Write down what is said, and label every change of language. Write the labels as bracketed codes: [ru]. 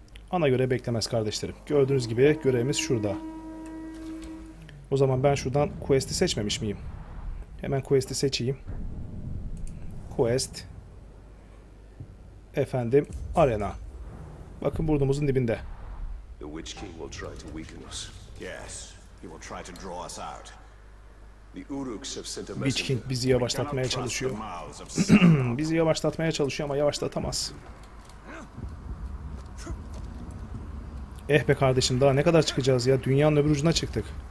[tr] Ana görev beklemez kardeşlerim. Gördüğünüz gibi görevimiz şurada. O zaman ben şuradan quest'i seçmemiş miyim? Hemen quest'i seçeyim. Quest. Efendim, arena. Bakın burnumuzun dibinde. [en] The Witch King will try to weaken us. Yes, he will try to draw us out. The Uruks have sent a message. [tr] Witch King bizi yavaşlatmaya çalışıyor. Bizi yavaşlatmaya çalışıyor ama yavaşlatamaz. Eh be kardeşim, daha ne kadar çıkacağız ya? Dünyanın öbür ucuna çıktık.